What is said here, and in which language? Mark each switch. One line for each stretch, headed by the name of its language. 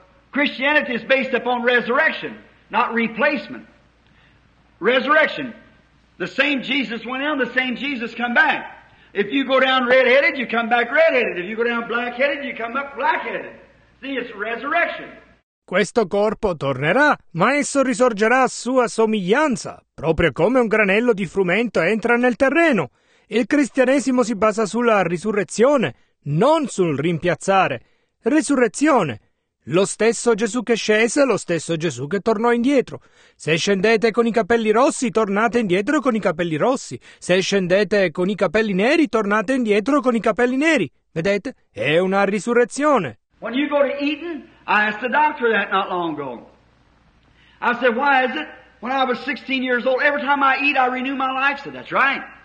English: Christianity is based upon resurrection, not replacement. Resurrection. The same Jesus went down, the same Jesus come back. If you go down red-headed, you come back red-headed. If you go down black-headed, you come up black-headed. See, it's resurrection.
Italian: Questo corpo tornerà, ma esso risorgerà a sua somiglianza, proprio come un granello di frumento entra nel terreno. Il cristianesimo si basa sulla risurrezione, non sul rimpiazzare. Resurrezione. Lo stesso Gesù che scese, lo stesso Gesù che tornò indietro. Se scendete con i capelli rossi, tornate indietro con i capelli rossi. Se scendete con i capelli neri, tornate indietro con i capelli neri. Vedete? È una risurrezione.
English: When you go to Eden, I asked the doctor that not long ago. I said, why is it when I was 16 years old, every time I eat, I renew my life? I said, that's right.